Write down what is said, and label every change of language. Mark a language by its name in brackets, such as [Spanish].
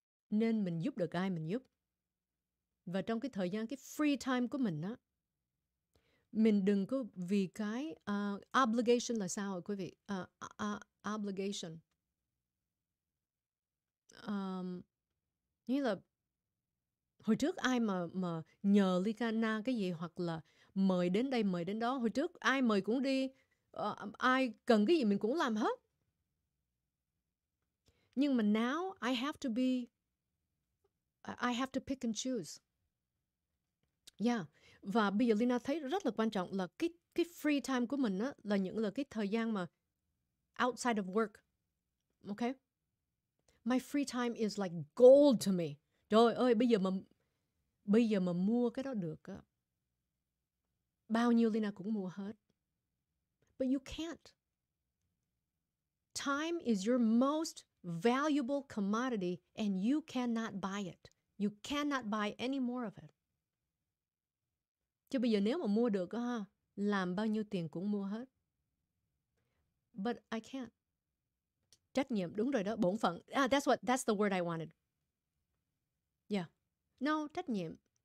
[Vietnamese] Nên mình giúp được ai mình giúp. Và trong cái thời gian, cái free time của mình á, mình đừng có vì cái obligation là sao quý vị? Obligation. Như là hồi trước ai mà nhờ Likana cái gì, hoặc là mời đến đây, mời đến đó. Hồi trước ai mời cũng đi, ai cần cái gì mình cũng làm hết. Nhưng mà [English] now I have to pick and choose. Yeah. [Vietnamese] Và bây giờ Lina thấy rất là quan trọng là cái free time của mình á, là những là cái thời gian mà [English] outside of work. [Vietnamese] Okay? [English] My free time is like gold to me. [Vietnamese] Trời ơi, bây giờ mà mua cái đó được á, bao nhiêu Lina cũng mua hết. [English] But you can't. Time is your most valuable commodity and you cannot buy it. You cannot buy any more of it. [Vietnamese] Chứ bây giờ nếu mà mua được ha, làm bao nhiêu tiền cũng mua hết. [English] But I can't. [Vietnamese] Trách nhiệm, đúng rồi đó, bổn phận. [English] Ah, that's the word I wanted. Yeah. No, trách nhiệm.